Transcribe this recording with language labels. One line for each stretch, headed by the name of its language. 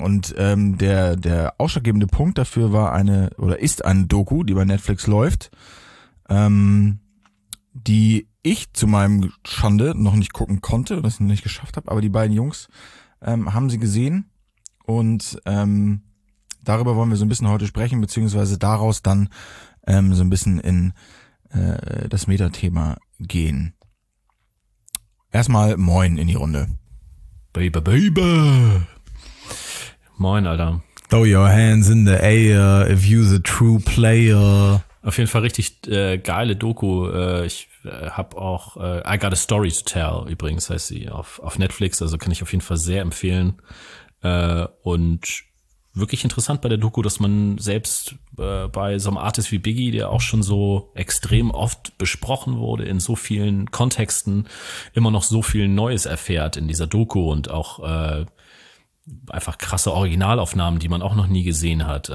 German: Und der ausschlaggebende Punkt dafür war eine, oder ist eine Doku, die bei Netflix läuft, die ich zu meinem Schande noch nicht gucken konnte, das noch nicht geschafft habe, aber die beiden Jungs haben sie gesehen, und darüber wollen wir so ein bisschen heute sprechen, beziehungsweise daraus dann so ein bisschen in das Metathema gehen. Erstmal Moin in die Runde. Baby. Moin, Alter.
English: Throw your hands in the air if you're the true player.
German: Auf jeden Fall richtig geile Doku. Ich habe auch I Got a Story to Tell, übrigens heißt sie, auf Netflix. Also kann ich auf jeden Fall sehr empfehlen. Und wirklich interessant bei der Doku, dass man selbst bei so einem Artist wie Biggie, der auch schon so extrem oft besprochen wurde in so vielen Kontexten, immer noch so viel Neues erfährt in dieser Doku und auch einfach krasse Originalaufnahmen, die man auch noch nie gesehen hat.